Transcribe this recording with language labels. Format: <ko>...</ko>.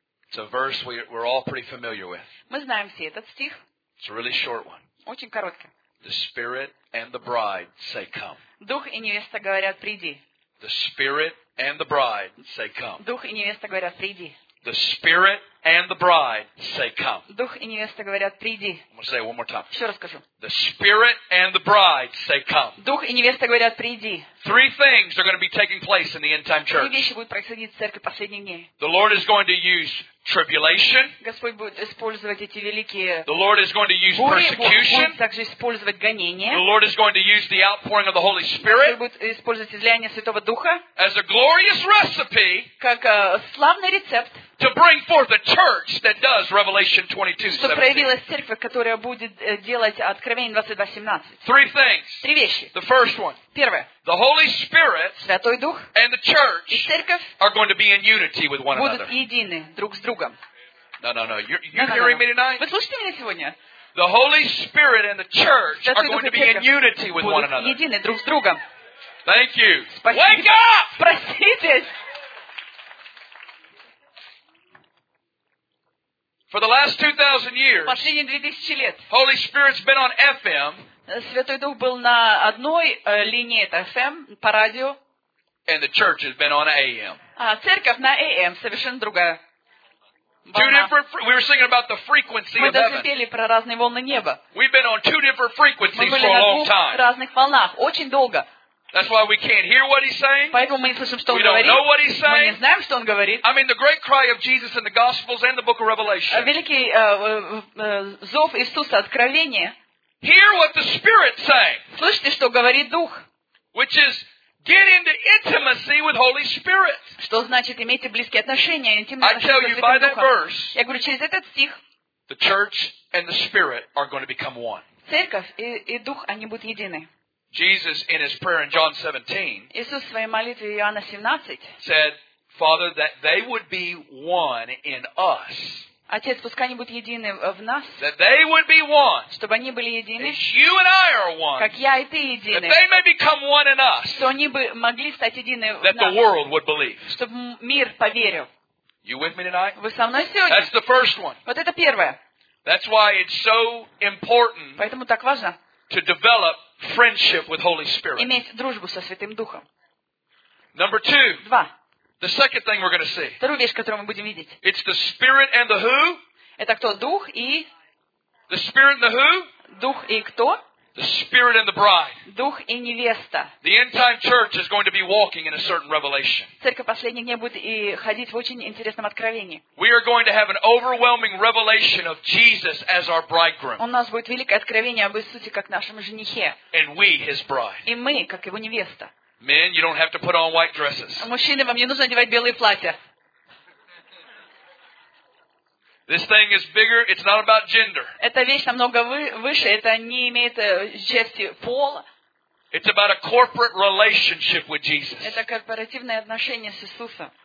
<en>It's a verse we're all pretty familiar with.</en> <ru>Мы знаем все этот стих.</ru> <en>It's a really short one.</en> <ru>Очень короткий.</ru> <en>The Spirit and the Bride say come.</en> <ru>Дух и невеста говорят приди.</ru> <en>The Spirit and the Bride say come.</en> <ru>Дух и невеста говорят приди.</ru> <en>The Spirit and the Bride say come.</en> <ru>Дух и невеста говорят приди.</ru> <en>I'm going to say it one more time.</en> <ru>Еще раз скажу.</ru> <en>The Spirit and the Bride say come.</en> <ru>Дух и невеста говорят приди.</ru> <en>Three things are going to be taking place in the end time church.</en> <ru>Три вещи будут происходить в церкви последних дней.</ru> <en>The Lord is going to use tribulation.</en> <ru>Господь будет использовать эти великие.</ru> <en>The Lord is going to use persecution.</en> <ru>Также использовать гонения.</ru> <en>The Lord is going to use the outpouring of the Holy Spirit.</en> <ru>Будет использовать изливание Святого Духа.</ru> <en>As a glorious recipe.</en> <ru>Как славный рецепт.</ru> <en>To bring forth a church that does Revelation 22:17.</en> <ru>Чтобы проявилась церковь, которая будет делать Откровение 22:17.</ru> <en>Three things.</en> <ru>Три вещи.</ru> <en>The first one.</en> <ru>Первое.</ru> <en>The Holy Spirit.</en> <ru>Святой Дух.</ru> <en>And the church.</en> <ru>И церковь.</ru> <en>Are going to be in unity with one</en> <ru>будут</ru> <en>another.</en> <ru>Будут едины друг с другом.</ru> <en>No. You're hearing me tonight?</en> <ru>Вы слышите меня сегодня?</ru> <en>The Holy Spirit and the church are going to be in unity with one another.</en> <ru>Будут едины друг с другом.</ru> <en>Thank you.</en> <ru>Спасибо.</ru> <en>Wake up!</en> <ru>Проснитесь!</ru> <en>For the last 2,000 years, Holy Spirit's been on FM.</en> <ru>Святой Дух был на одной линии, это FM, по радио.</ru> <en>And the church has been on AM.</en> <ru>А церковь на AM, совершенно другая.</ru> <en>Two different. We were singing about the frequency of heaven.</en> <ru>Мы даже пели про разные волны неба.</ru> <en>We've been on two different frequencies for a long time.</en> <ru>Мы были на двух разных волнах, очень долго.</ru> <en>That's why we can't hear what he's saying.</en> <ru>Поэтому мы не слышим, что</ru> <en>we</en> <ru>он говорит.</ru> <en>We don't know what he's saying.</en> <ru>Мы не знаем, что он говорит.</ru> <en>I mean, the great cry of Jesus in the Gospels and the Book of Revelation.</en> <ru>Великий зов Иисуса Откровение.</ru> <en>Hear what the Spirit's saying.</en> <ru>Слышите, что говорит Дух.</ru> <en>Which is get into intimacy with Holy Spirit.</en> <ru>Что значит иметь близкие отношения, интимные отношения с Святым Духом?</ru> <en>I tell you by that verse.</en> <ru>Я говорю через этот стих.</ru> <en>The church and the Spirit are going to become one.</en> <ru>Церковь и Дух они будут едины.</ru> <en>Jesus in his prayer in John 17,</en> <ru>Иисус в своей молитве Иоанна 17</ru> <en>said, Father, that they would be one in us.</en> <ru>Отец, пускай они будут едины в нас.</ru> <en>That they would be one.</en> <ru>Чтобы они были едины.</ru> <en>As you and I are one.</en> <ru>Как я и ты едины.</ru> <en>That they may become one in us.</en> <ru>Что они бы могли стать едины в нас.</ru> <en>That the world would believe.</en> <ru>Чтобы мир поверил.</ru> <en>You with me tonight?</en> <ru>Вы со мной сегодня?</ru> <en>That's the first one.</en> <ru>Вот это первое.</ru> <en>That's why it's so important.</en> <ru>Поэтому так важно.</ru> <en>To develop friendship with Holy Spirit.</en> <ru>Иметь дружбу со Святым Духом.</ru> <en>Number two.</en> <ru>Два.</ru> <en>The second thing we're going to see.</en> <ru>Вторую вещь, которую мы будем видеть.</ru> <en>It's the Spirit and the who?</en> <ru>Это кто? Дух и?</ru> <en>The Spirit and the who?</en> <ru>Дух и кто?</ru> <en>The Spirit and the bride.</en> <ru>Дух и невеста.</ru> <en>The end time church is going to be walking in a certain revelation.</en> <ru>Церковь последних дней будет и ходить в очень интересном откровении.</ru> <en>We are going to have an overwhelming revelation of Jesus as our bridegroom.</en> <ru>У нас будет великое откровение об Иисусе как нашем женихе.</ru> <en>And we his bride.</en> <ru>И мы как его невеста.</ru> <en>Men, you don't have to put on white dresses.</en> <ru>Мужчины, вам не нужно одевать белые платья.</ru> <en>This thing is bigger. It's not about gender.</en> <ru>Эта вещь намного выше. Это не имеет части пола.</ru> <en>It's about a corporate relationship with Jesus.</en> <ru>Это корпоративное отношение с Иисусом.</ru>